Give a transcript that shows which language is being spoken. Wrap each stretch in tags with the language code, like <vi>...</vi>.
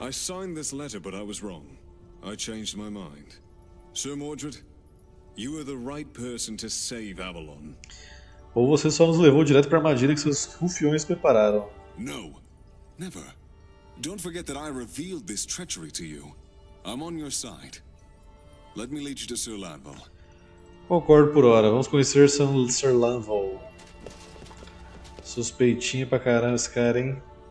<en>I signed this letter, but I was wrong. I changed my mind. Sir Mordred, you are the right person to save Avalon.</en> <pt>Ou você só nos levou direto para a armadilha que seus rufiões prepararam.</pt> <en>No, never. Don't forget that I revealed this treachery to you. I'm on your side. Let me lead you to Sir Lanval.</en> <pt>Concordo por hora. Vamos conhecer Sir Lanval. Suspeitinho pra caramba esse cara, hein?</pt>